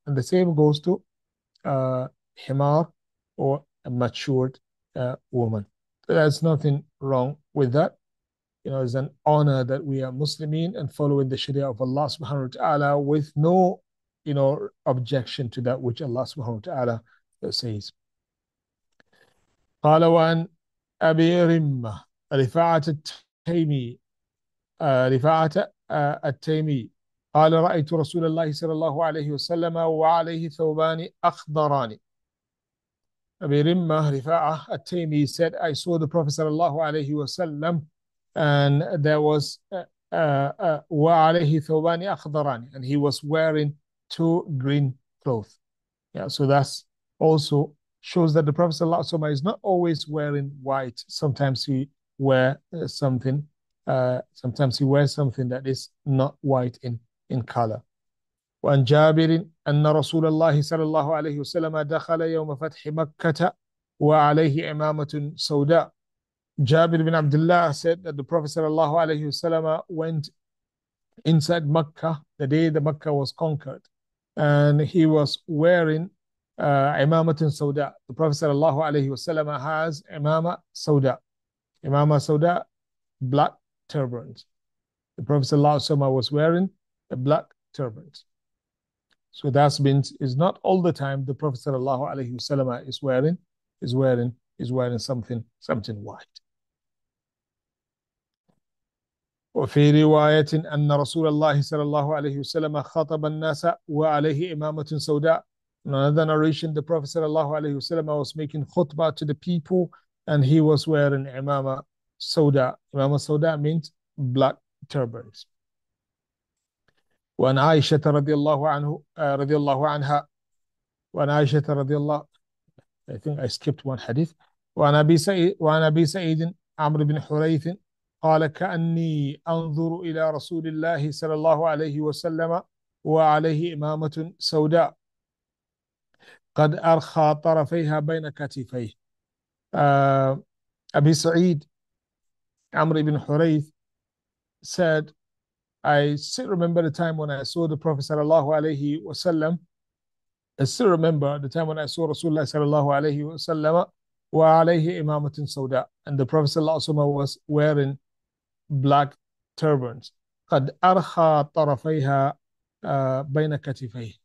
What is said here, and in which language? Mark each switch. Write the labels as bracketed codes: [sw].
[en] And the same goes to himar or a matured woman. There's nothing wrong with that. You know, it's an honor that we are Muslimin and following the Sharia of Allah subhanahu wa ta'ala with no, you know, objection to that which Allah subhanahu wa ta'ala says. [ar] قَالَ وَأَنْ أَبِي رِمَّةَ رِفَعَةَ التَّيْمِي رفاعة التيمي قال رأيت رسول الله صلى الله عليه وسلم وعليه ثوبان أخضران. [en] أبي رمة رفاعة التيمي said I saw the Prophet [ar] صلى الله عليه وسلم [en] and there was [ar] وعليه ثوبان أخضران, [en] and he was wearing two green clothes. Yeah, so that's also shows that the Prophet sallallahu alaihi wasallam is not always wearing white. Sometimes he wear something. Sometimes he wears something that is not white in color. [ar] وأن جابر أن رسول الله صلى الله عليه وسلم دخل يوم فتح مكة وعليه إمامة سوداء. [en] Jabir bin Abdullah said that the Prophet sallallahu alaihi wasallam went inside Mecca the day the Mecca was conquered, and he was wearing imamatun sauda. The Prophet sallallahu alaihi wasallam has imama sauda, black turban. The Prophet sallallahu alaihi wasallam was wearing a black turban. So that means it's not all the time the Prophet sallallahu alaihi wasallam is wearing something white. [ar] وفي رواية أن رسول الله صلى الله عليه وسلم خطب الناس وعليه إمامة سوداء. [en] In another narration, the Prophet [ar] صلى الله عليه وسلم [en] was making khutbah to the people and he was wearing [ar] إمامة سوداء. إمامة سوداء [en] means black turbans. [ar] وأن عائشة رضي الله عنه رضي الله عنها وأن عائشة رضي الله [en] I think I skipped one hadith. [ar] وأن أبي سعيد عمرو بن حريث قال كأني أنظر إلى رسول الله صلى الله عليه وسلم وعليه إمامة سوداء قد أرخى طرفيها بين كتفيه. [en] أبي سعيد عمرو بن حريث said, I still remember the time when I saw the Prophet [ar] صلى الله عليه وسلم. [en] I still remember the time when I saw [ar] رسول الله صلى الله عليه وسلم وعليه إمامة سوداء. [en] And the Prophet [ar] صلى الله عليه وسلم [en] was wearing black turbans. [ar] قد أرخى طرفيها بين كتفيه.